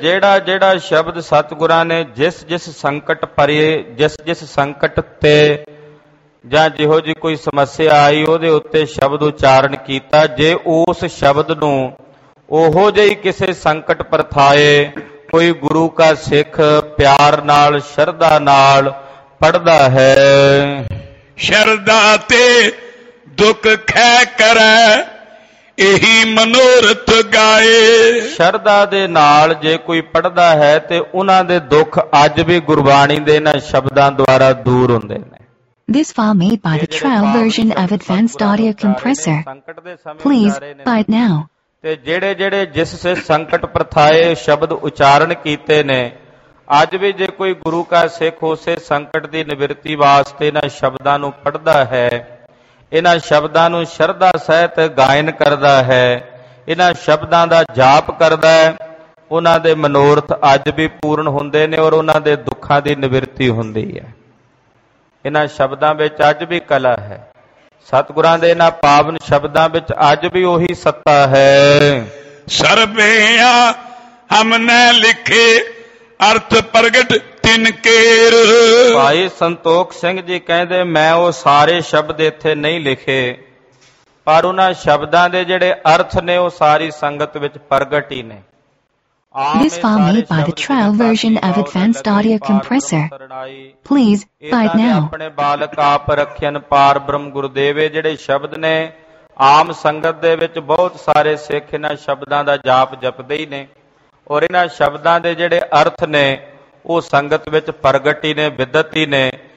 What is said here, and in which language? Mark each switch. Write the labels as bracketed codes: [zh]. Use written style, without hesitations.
[pa] ਜਿਹੜਾ ਜਿਹੜਾ ਸ਼ਬਦ ਸਤਿਗੁਰਾਂ ਨੇ ਜਿਸ ਜਿਸ ਸੰਕਟ ਪਰੇ ਜਿਸ ਜਿਸ ਸੰਕਟ ਤੇ ਜਾਂ ਜਿਹੋ ਜਿਹੀ ਕੋਈ ਸਮੱਸਿਆ ਆਈ ਉਹਦੇ ਉੱਤੇ ਸ਼ਬਦ ਉਚਾਰਨ ਕੀਤਾ, ਜੇ ਉਸ ਸ਼ਬਦ ਨੂੰ ਉਹੋ ਜਿਹੀ ਕਿਸੇ ਸੰਕਟ ਪਰਥਾਏ ਕੋਈ ਗੁਰੂ ਕਾ ਸਿੱਖ ਪਿਆਰ ਨਾਲ ਸ਼ਰਧਾ ਨਾਲ ਪੜਦਾ ਹੈ। ਸ਼ਰਧਾ ਤੇ ਦੁੱਖ ਖੈ ਕਰੈ ਇਹੀ ਮਨੋਰਥ ਗਾਏ। ਸ਼ਰਧਾ ਦੇ ਨਾਲ ਜੇ ਕੋਈ ਪੜਦਾ ਹੈ ਤੇ ਉਹਨਾਂ ਦੇ ਦੁੱਖ ਅੱਜ ਵੀ ਗੁਰਬਾਣੀ ਦੇ ਇਹਨਾਂ ਸ਼ਬਦਾਂ ਦੁਆਰਾ ਦੂਰ ਹੁੰਦੇ ਨੇ। [en] This file made by the trial version of Advanced Audio Compressor. Please buy it now. [pa] ਤੇ ਜਿਹੜੇ ਜਿਹੜੇ ਜਿਸ ਸੇ ਸੰਕਟ ਪ੍ਰਥਾਏ ਸ਼ਬਦ ਉਚਾਰਨ ਕੀਤੇ ਨੇ, ਅੱਜ ਵੀ ਜੇ ਕੋਈ ਗੁਰੂ ਕਾ ਸਿੱਖ ਉਸੇ ਸੰਕਟ ਦੀ ਨਿਵਿਰਤੀ ਵਾਸਤੇ ਇਹਨਾਂ ਸ਼ਬਦਾਂ ਨੂੰ ਪੜ੍ਹਦਾ ਹੈ, ਇਹਨਾਂ ਸ਼ਬਦਾਂ ਨੂੰ ਸ਼ਰਧਾ ਸਹਿਤ ਗਾਇਨ ਕਰਦਾ ਹੈ, ਇਹਨਾਂ ਸ਼ਬਦਾਂ ਦਾ ਜਾਪ ਕਰਦਾ ਹੈ, ਉਹਨਾਂ ਦੇ ਮਨੋਰਥ ਅੱਜ ਵੀ ਪੂਰਨ ਹੁੰਦੇ ਨੇ ਔਰ ਉਹਨਾਂ ਦੇ ਦੁੱਖਾਂ ਦੀ ਨਿਵਿਰਤੀ ਹੁੰਦੀ ਹੈ। ਇਹਨਾਂ ਸ਼ਬਦਾਂ ਵਿੱਚ ਅੱਜ ਵੀ ਕਲਾ ਹੈ, ਸਤਿਗੁਰਾਂ ਦੇ ਇਹਨਾਂ ਪਾਵਨ ਸ਼ਬਦਾਂ ਵਿੱਚ ਅੱਜ ਵੀ ਉਹੀ ਸੱਤਾ ਹੈ। ਸਰਬਿਆ ਹਮਨੇ ਲਿਖੇ ਅਰਥ ਪ੍ਰਗਟ ਤਿਨਕੇਰ। ਭਾਈ ਸੰਤੋਖ ਸਿੰਘ ਜੀ ਕਹਿੰਦੇ ਮੈਂ ਉਹ ਸਾਰੇ ਸ਼ਬਦ ਇੱਥੇ ਨਹੀਂ ਲਿਖੇ, ਪਰ ਉਹਨਾਂ ਸ਼ਬਦਾਂ ਦੇ ਜਿਹੜੇ ਅਰਥ ਨੇ ਉਹ ਸਾਰੀ ਸੰਗਤ ਵਿੱਚ ਪ੍ਰਗਟ ਹੀ ਨੇ। [en] This file made by the trial version of Advanced Audio Compressor. Please buy it now. [pa] ਆਪਣੇ ਬਾਲਕ ਆਪ ਰੱਖਿਅਨ ਪਾਰ ਬ੍ਰਹਮ ਗੁਰਦੇਵੇ ਜਿਹੜੇ ਸ਼ਬਦ ਨੇ ਆਮ ਸੰਗਤ ਦੇ ਵਿੱਚ ਬਹੁਤ ਸਾਰੇ ਸਿੱਖ ਇਹਨਾਂ ਸ਼ਬਦਾਂ ਦਾ ਜਾਪ ਜਪਦੇ ਹੀ ਨੇ ਔਰ ਇਹਨਾਂ ਸ਼ਬਦਾਂ ਦੇ ਜਿਹੜੇ ਅਰਥ ਨੇ ਉਹ ਸੰਗਤ ਵਿੱਚ ਪ੍ਰਗਟ ਹੀ ਨੇ, ਵਿਦਤ ਹੀ ਨੇ।